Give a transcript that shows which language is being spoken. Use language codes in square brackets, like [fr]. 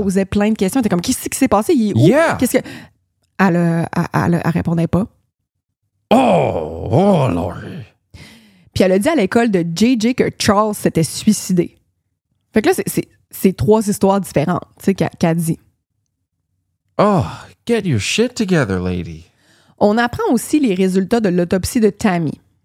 [fr] Posaient plein de questions. Ils étaient comme, qu'est-ce qui s'est passé? Il est où? [en] Yeah. [fr] Qu'est-ce que. Elle répondait pas. [en] Oh, oh Lord. [fr] Puis elle a dit à l'école de JJ que Charles s'était suicidé. Fait que là, c'est trois histoires différentes, tu sais, qu'elle dit. [en] Oh, get your shit together, lady. [fr] On apprend aussi les résultats de l'autopsie de Tammy.